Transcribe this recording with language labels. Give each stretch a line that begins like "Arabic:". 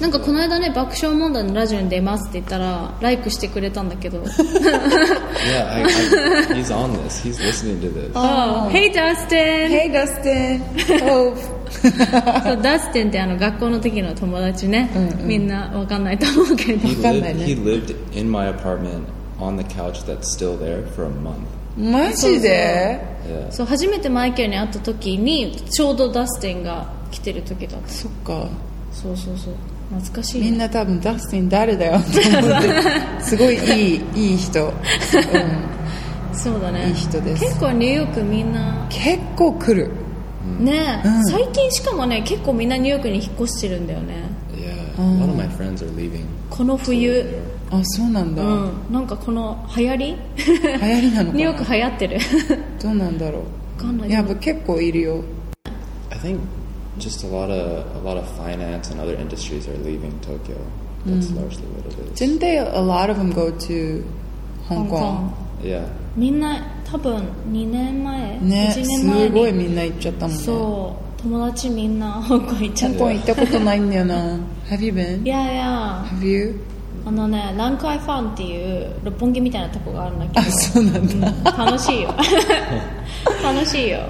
Japanese: なんかこの間ね、爆笑問題のラジオに出ますって言ったら、ライクしてくれたんだけど。
English: Yeah, he's on this. He's listening to this. Oh. Hey, Dustin! Hey, Dustin! Hope!
Japanese: そう、ダスティンってあの学校の時の友達ね、うんうん、みんな分かんないと思うけど、分かんないね。
English: He lived in my apartment on the couch that's still there for a month.
Japanese: マジで？そう、初めてマイケルに会った時にちょうどダスティンが来てる時だった。そっか。そうそうそう、懐かしい、ね、みんな多分ダスティン誰だよって思って、すごいいい人、うん、そうだね、いい人です。結構ニューヨークみんな結構来るね、うん、最近しかもね、結構みんなニューヨークに引っ越してるんだよね。
English: Yeah, a lot of my friends are leaving.
Japanese: この冬。あ、そうなんだ、うん、なんかこの流行り流行りなのかな、ニューヨーク流行ってるどうなんだろう、分かんない。いや、結構いるよ。
English: I think just a lot of finance and other industries are leaving Tokyo. That's、うん、largely what it is. Didn't they, a lot of them go to Hong Kong? Yeah.
Japanese: みんな多分2年前、ね、 1年前にすごいみんな行っちゃったもんね。そう、友達みんな香港行っちゃった。香港行ったことないんだよな。
English: Have you been? Yeah, yeah. Have you?
Japanese: あのね、ランクアイファンっていう六本木みたいなとこがあるんだけど。あ、そうなんだ、うん、楽しいよ楽しいよ。